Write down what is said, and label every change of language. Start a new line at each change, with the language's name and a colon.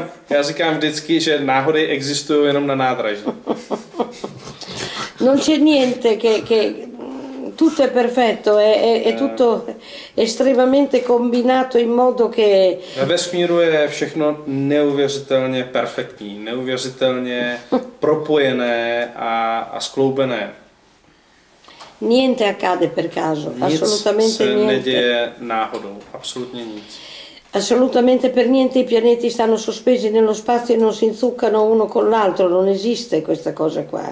Czech: Já říkám vždycky, že náhody existují jenom na nádraží.
Italian: Non c'è niente che tutto è perfetto, è tutto estremamente combinato in modo che.
Czech: Ve vesmíru je všechno neuvěřitelně perfektní, neuvěřitelně propojené a skloubené.
Italian: Niente accade per caso, assolutamente niente.
Czech: Nic se neděje náhodou, absolutně nic.
Italian: Assolutamente per niente i pianeti stanno sospesi nello spazio e non si inzuccano uno con l'altro, non esiste questa cosa qua.